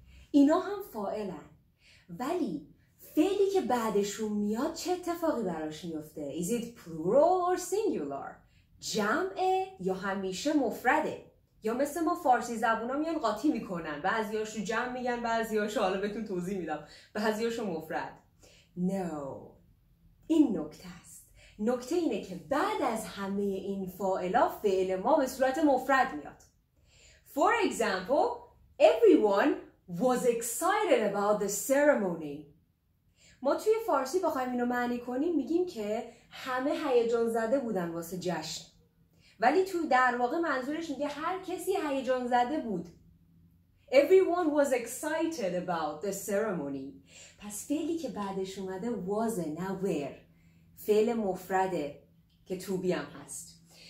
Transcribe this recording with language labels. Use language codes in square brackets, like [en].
[fa] اینا هم فاعلن. ولی فعلی که بعدشون میاد چه اتفاقی براش میفته؟ [en] Is it plural or singular؟ [fa] جمعه یا همیشه مفرده؟ یا مثل ما فارسی زبون ها میان قاطی میکنن، بعضی هاشو جمع میگن، بعضی هاشو، حالا بهتون توضیح میدم، بعضی هاشو مفرد. No، این نکته است. نکته اینه که بعد از همه این فاعلا فعل ما به صورت مفرد میاد. [en] For example، everyone was excited about the ceremony. [fa] ما توی فارسی بخوایم اینو معنی کنیم میگیم که همه هیجان زده بودن واسه جشن، ولی تو در واقع منظورش میگه هر کسی هیجان زده بود. [en] Everyone was excited about the ceremony. [fa] پس فعلی که بعدش اومده was، نه were، فعل مفرده که to be هم هست.